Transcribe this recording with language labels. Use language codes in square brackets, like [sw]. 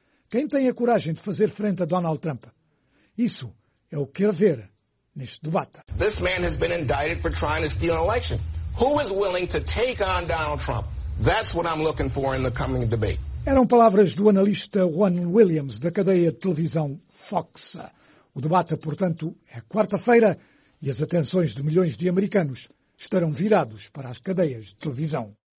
[pt] Quem tem a coragem de fazer frente a Donald Trump? Isso é o que quer ver neste debate. [en] This man has been indicted for trying to steal an election. Who is willing to take on Donald Trump? That's what I'm looking for in the coming debate. [pt] Eram palavras do analista Juan Williams, da cadeia de televisão Fox. O debate, portanto, é quarta-feira. E as atenções de milhões de americanos estarão virados para as cadeias de televisão.